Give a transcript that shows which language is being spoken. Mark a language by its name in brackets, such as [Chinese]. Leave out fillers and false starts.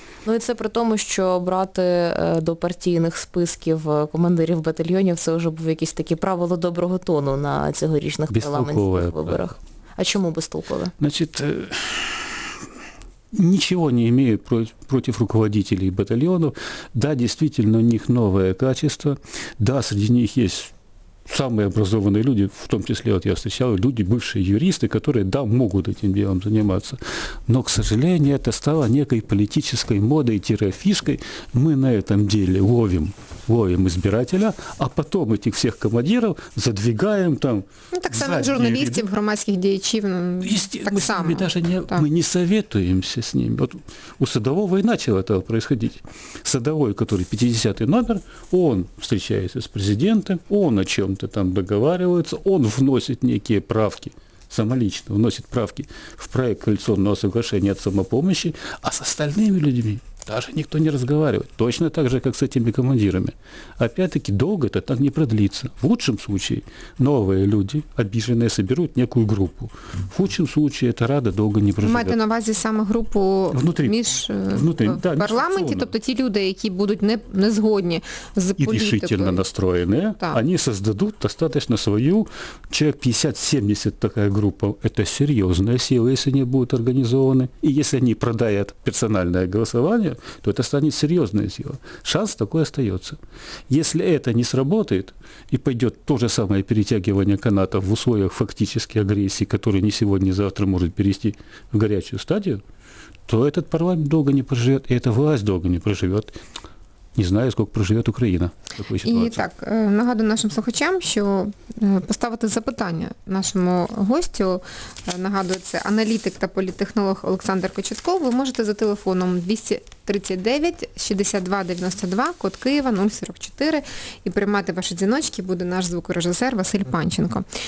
[Ukrainian] Ну і це при тому, що брати до партійних списків командирів батальйонів, це вже був якесь таке правило доброго тону на цьогорічних парламентських виборах. А чому безтолкове? Значить, нічого не маю проти руководителів батальйонів. Да, дійсно, у них нове качество. [Russian] Да, [Ukrainian] серед них є [Russian] самые образованные люди, в том числе вот я встречал, люди, бывшие юристы, которые, да, могут этим делом заниматься. Но, к сожалению, это стало некой политической модой-фишкой. Мы на этом деле ловим избирателя, а потом этих всех командиров задвигаем там. Ну, [Ukrainian] так само [Russian] журналистов, громадских деятелей, так само. Мы даже не советуемся с ними. Вот у Садового и начало это происходить. Садовой, который 50-й номер, он встречается с президентом, он о чем-то там договариваются, он вносит некие правки самолично вносит правки в проект коалиционного соглашения от самопомощи, а с остальными людьми даже никто не разговаривает. Точно так же, как с этими командирами. Опять-таки, долго это так не продлится. В лучшем случае новые люди, обиженные, соберут некую группу. В худшем случае эта рада долго не проживет. [Ukrainian] Маєте на увазі саме групу внутри, в парламенті, тобто ті люди, які будуть не згодні з політикою. І рішительно настроєні, вони создадуть достатньо свою, чоловік 50-70 така група. Це серйозна сила, якщо вони будуть організовані. І якщо вони продають персональне голосування, [Russian] то это станет серьезная сила. Шанс такой остается. Если это не сработает и пойдет то же самое перетягивание канатов в условиях фактически агрессии, которая не сегодня, не завтра может перейти в горячую стадию, то этот парламент долго не проживет, и эта власть долго не проживет. [Ukrainian] Не знаю, скільки проживе Україна в такій ситуації. І так, нагадую нашим слухачам, що поставити запитання нашому гостю, нагадую, це аналітик та політтехнолог Олександр Кочетков, ви можете за телефоном 239-62-92, код Києва 044, і приймати ваші дзвіночки буде наш звукорежисер Василь Панченко.